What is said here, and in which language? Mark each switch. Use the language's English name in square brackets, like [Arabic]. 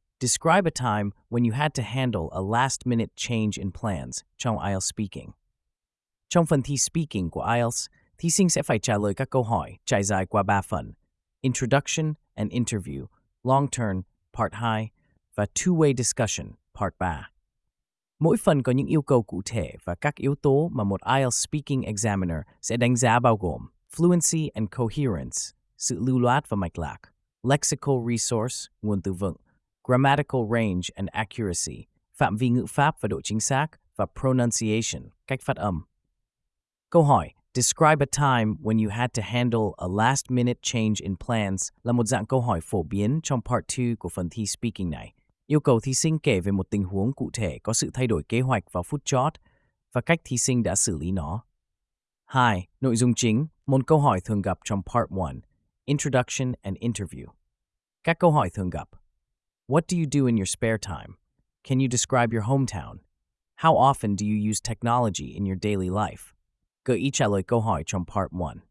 [English] Describe a time when you had to handle a last-minute change in plans trong IELTS speaking. [Vietnamese] Trong phần thi speaking của IELTS, thí sinh sẽ phải trả lời các câu hỏi trải dài qua 3 phần. [English] Introduction and interview, long term, part 2, và two-way discussion, part 3. [Vietnamese] Mỗi phần có những yêu cầu cụ thể và các yếu tố mà một IELTS speaking examiner sẽ đánh giá bao gồm [English] fluency and coherence, [Vietnamese] sự lưu loát và mạch lạc, [English] lexical resource, [Vietnamese] nguồn từ vựng, [English] grammatical range and accuracy, [Vietnamese] phạm vi ngữ pháp và độ chính xác, và pronunciation, cách phát âm. Câu hỏi, [English] describe a time when you had to handle a last-minute change in plans [Vietnamese] là một dạng câu hỏi phổ biến trong part 2 của phần thi speaking này. Yêu cầu thí sinh kể về một tình huống cụ thể có sự thay đổi kế hoạch vào phút chót và cách thí sinh đã xử lý nó. 2. Nội dung chính, một câu hỏi thường gặp trong part 1. [English] Introduction and interview. [Vietnamese] Các câu hỏi thường gặp. [English] What do you do in your spare time? Can you describe your hometown? How often do you use technology in your daily life? [Vietnamese] Gợi ý trả lời câu hỏi trong part 1.